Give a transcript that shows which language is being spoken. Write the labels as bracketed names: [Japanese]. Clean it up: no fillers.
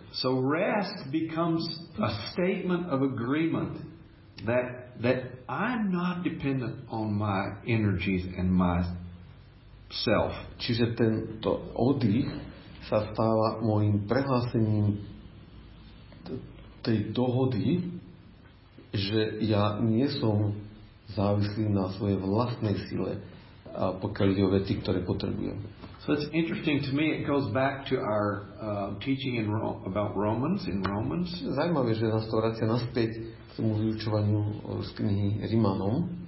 [English] So rest becomes a statement of agreement that I'm not dependent on my energies and my self. [Slovak] Čiže tento oddych sa stáva môjim prehlásením tej dohody, že ja nie som závislý na svojej vlastnej sile, pokiaľ ide o veci, ktoré potrebujem. [English] So it's interesting to me, it goes back to our teaching about Romans, in Romans. [Slovak] Zaujímavé, že nás to vracia naspäť k tomu vyučovaniu z knihy Rimanom,